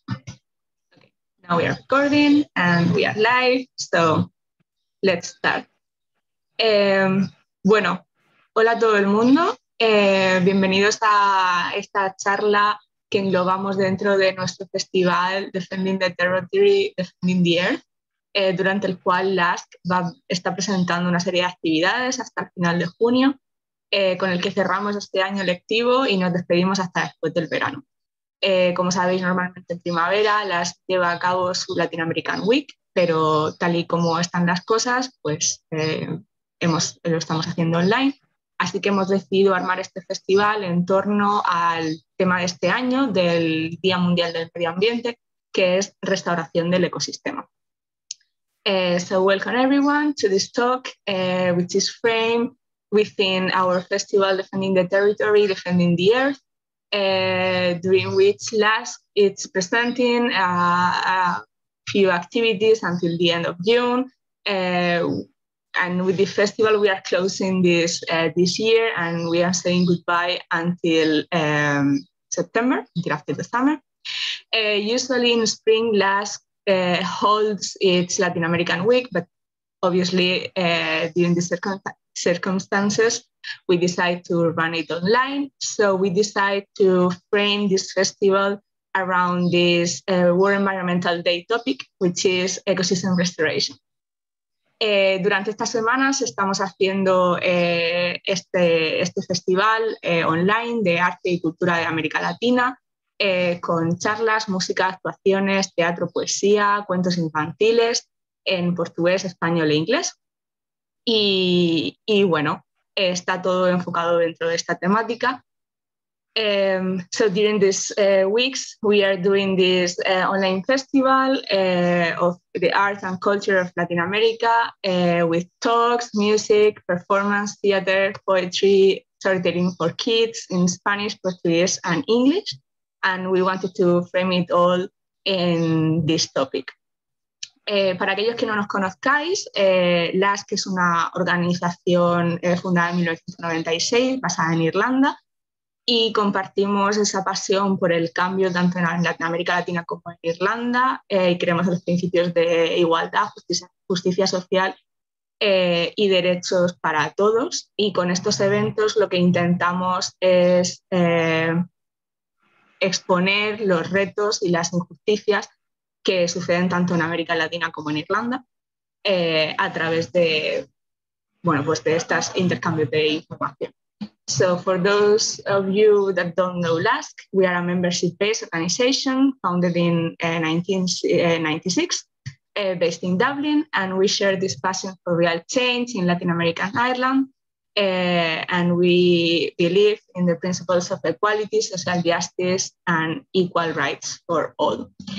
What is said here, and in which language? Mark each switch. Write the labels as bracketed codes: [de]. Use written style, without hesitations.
[en] Okay, now we are recording and we are live, so let's start. [es] Bueno, hola a todo el mundo, bienvenidos a esta charla que englobamos dentro de nuestro festival Defending the Territory, Defending the Earth, durante el cual LASK está presentando una serie de actividades hasta el final de junio, con el que cerramos este año lectivo y nos despedimos hasta después del verano. Como sabéis, normalmente en primavera las lleva a cabo su Latin American Week, pero tal y como están las cosas, pues lo estamos haciendo online. Así que hemos decidido armar este festival en torno al tema de este año, del Día Mundial del Medio Ambiente, que es restauración del ecosistema. [en] So welcome everyone to this talk, which is framed within our festival Defending the Territory, Defending the Earth, during which LASK is presenting a few activities until the end of June. And with the festival, we are closing this year, and we are saying goodbye until September, until after the summer. Usually in spring, LASK holds its Latin American Week, but obviously during the circumstances, we decide to run it online. So we decide to frame this festival around this World Environmental Day topic, which is ecosystem restoration. [es] Durante estas semanas estamos haciendo este festival online de arte y cultura de América Latina, con charlas, música, actuaciones, teatro, poesía, cuentos infantiles en portugués, español e inglés. Y bueno, está todo enfocado dentro de esta temática. [en] So during these weeks, we are doing this online festival of the arts and culture of Latin America with talks, music, performance, theater, poetry, storytelling for kids in Spanish, Portuguese, and English. And we wanted to frame it all in this topic. [es] Para aquellos que no nos conozcáis, LASK es una organización fundada en 1996, basada en Irlanda, y compartimos esa pasión por el cambio tanto en América Latina como en Irlanda, y creemos en los principios de igualdad, justicia social y derechos para todos. Y con estos eventos lo que intentamos es exponer los retos y las injusticias que suceden tanto en América Latina como en Irlanda, a través de, bueno, pues de estos intercambios de información. [en] So for those of you that don't know LASK, we are a membership-based organization founded in 1996, based in Dublin, and we share this passion for real change in Latin America and Ireland, and we believe in the principles of equality, social justice, and equal rights for all.